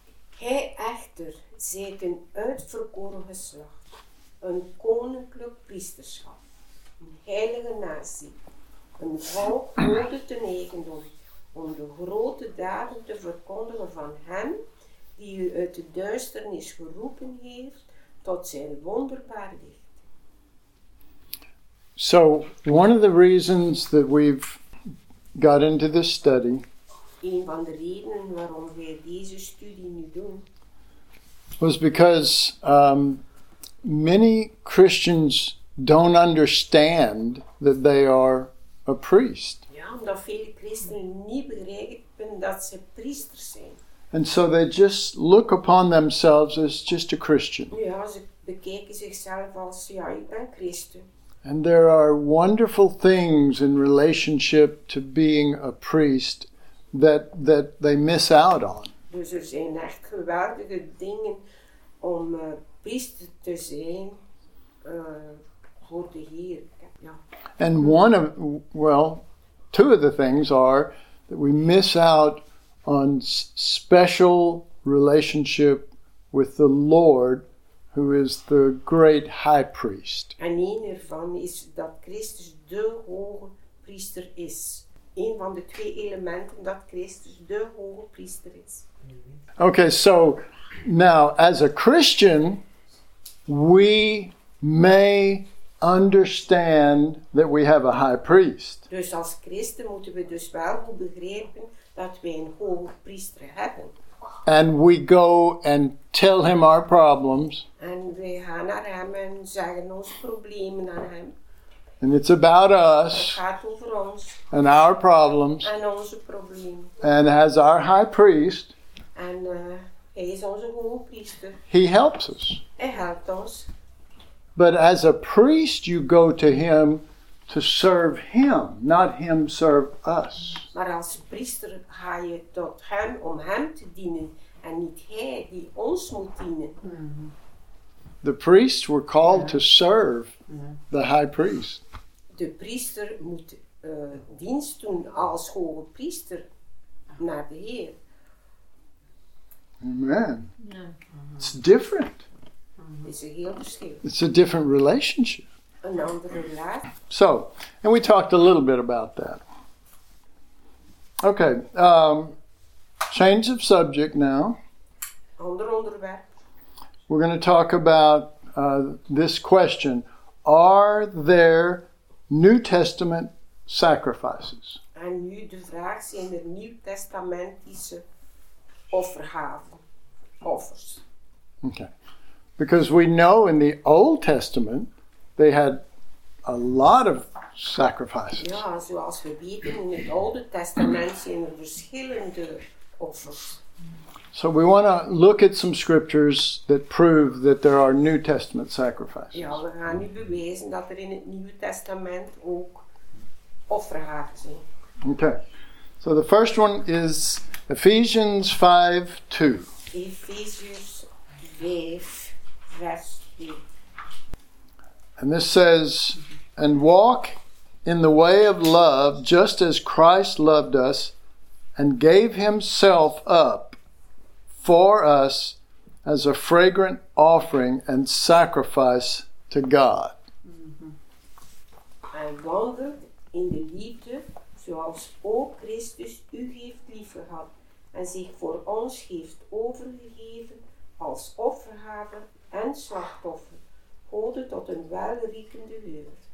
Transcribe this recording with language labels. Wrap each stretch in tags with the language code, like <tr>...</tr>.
<nl>Gij echter zijt een uitverkoren geslacht, een koninklijk priesterschap, een heilige natie, een volk goede ten eigendom, om de grote daden te verkondigen van hem die u uit de duisternis geroepen heeft tot zijn wonderbaar licht.</nl> <en>So, one of the reasons that we've got into this study,</en> <nl>een van de redenen waarom wij deze studie nu doen,</nl> <en>was because many Christians don't understand that they are a priest.</en> <nl>Omdat vele christenen niet begrijpen dat ze priesters zijn.</nl> <en>And so they just look upon themselves as just a Christian.</en> <nl>Ja, ze bekijken zichzelf als, ja, ik ben christen.</nl> <en>And there are wonderful things in relationship to being a priest that they miss out on.</en> <nl>Dus er zijn echt geweldige dingen om priester te zijn voor de Heer. Ja.</nl> <en>And one of, well, two of the things are that we miss out on special relationship with the Lord, who is the great high priest.</en> <nl>En een ervan is dat Christus de hoge priester is. Een van de twee elementen dat Christus de hoge priester is.</nl> <en>Okay, so now as a Christian, we may understand that we have a high priest.</en> <nl>Dus als Christen moeten we dus wel goed begrijpen dat wij een hoge priester hebben.</nl> <en>And we go and tell him our problems.</en> <nl>En we gaan naar hem en zeggen onze problemen aan hem.</nl> <en>And it's about us.</en> <nl>Het gaat over ons.</nl> <en>And our problems.</en> <nl>En onze problemen.</nl> <en>And as our high priest.</en> <nl>En hij is onze hoge priester.</nl> <en>He helps us.</en> <nl>Hij helpt ons.</nl> <en>But as a priest, you go to him to serve him, not him serve us.</en> <nl>Maar als priester ga je tot hem om hem te dienen en niet hij die ons moet dienen. Mm-hmm.</nl> <en>The priests were called to serve the high priest.</en> <nl>De priester moet dienst doen als hoge priester naar de Heer.</nl> <en>Amen. It's different. It's a</en> <nl>heel verschil.</nl> <en>It's a different relationship.</en> <nl>Een andere relatie.</nl> <en>So, and we talked a little bit about that. Okay, change of subject now.</en> <nl>Ander onderwerp.</nl> <en>We're going to talk about this question. Are there New Testament sacrifices?</en> <nl>En nu de vraag, zijn er Nieuw Testamentische offergaven? Offers.</nl> <en>Okay. Because we know in the Old Testament they had a lot of sacrifices.</en> <nl>Ja, zoals we weten in het Oude Testament zijn er verschillende offers.</nl> <en>So we want to look at some scriptures that prove that there are New Testament sacrifices.</en> <nl>Ja, we gaan nu bewijzen dat er in het Nieuwe Testament ook offergaven zijn.</nl> <en>Okay. So the first one is Ephesians 5:2. Ephesians 5, verse 2. And this says, and walk in the way of love, just as Christ loved us and gave himself up for us as a fragrant offering and sacrifice to God.</en> <nl>And wandel in de liefde, zoals ook Christus u heeft lief gehad. En zich voor ons heeft overgegeven als offergave en slachtoffer, gode tot een welriekende geur.</nl>